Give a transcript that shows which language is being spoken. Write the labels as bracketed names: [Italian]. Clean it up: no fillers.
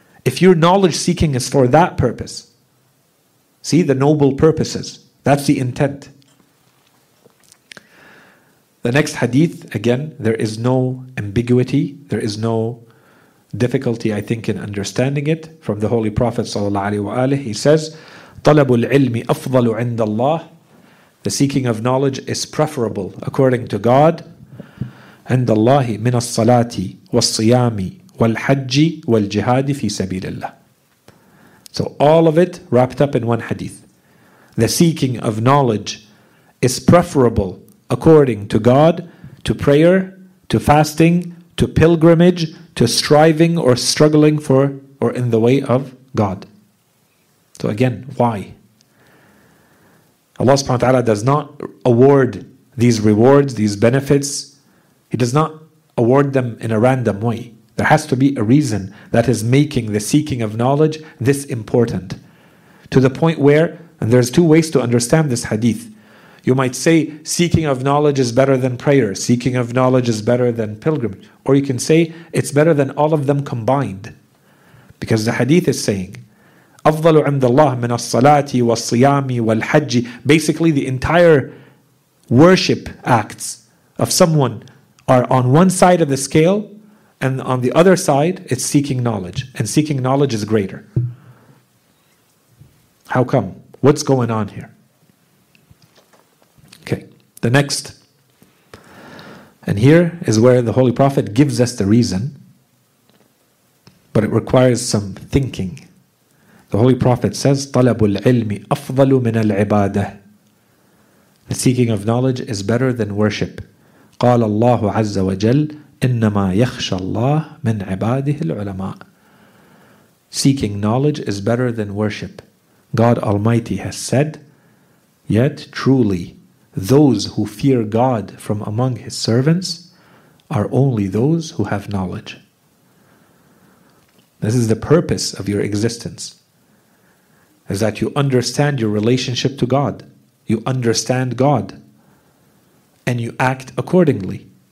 [English] If your knowledge seeking is for that purpose, see the noble purposes, that's the intent. The next hadith, again, there is no ambiguity, there is no difficulty, I think, in understanding it from the Holy Prophet sallallahu alaihi wa alihi. He says, [Arabic] طلب العلم أفضل عند الله. [English] The seeking of knowledge is preferable according to God. [Arabic] عند الله من الصلاة والصيام والحج والجهاد في سبيل الله. [English] So all of it wrapped up in one hadith. The seeking of knowledge is preferable according to God to prayer, to fasting, to pilgrimage, to striving or struggling for or in the way of God. So again, why? Allah subhanahu wa ta'ala does not award these rewards, these benefits. He does not award them in a random way. There has to be a reason that is making the seeking of knowledge this important. To the point where, and there's two ways to understand this hadith. You might say, seeking of knowledge is better than prayer. Seeking of knowledge is better than pilgrimage. Or you can say, it's better than all of them combined. Because the hadith is saying, [Arabic] أفضل عند الله من الصلاة والصيام والحج. [English] Basically, the entire worship acts of someone are on one side of the scale, and on the other side, it's seeking knowledge. And seeking knowledge is greater. How come? What's going on here? Okay, the next. And here is where the Holy Prophet gives us the reason, but it requires some thinking. The Holy Prophet says, [Arabic] طلب العلم أفضل من العبادة. [English] The seeking of knowledge is better than worship. [Arabic] قال الله عز وجل إنما يخشى الله من عباده العلماء. [English] Seeking knowledge is better than worship. God Almighty has said, yet truly, those who fear God from among His servants are only those who have knowledge. This is the purpose of your existence. Is that you understand your relationship to God, you understand God, and you act accordingly.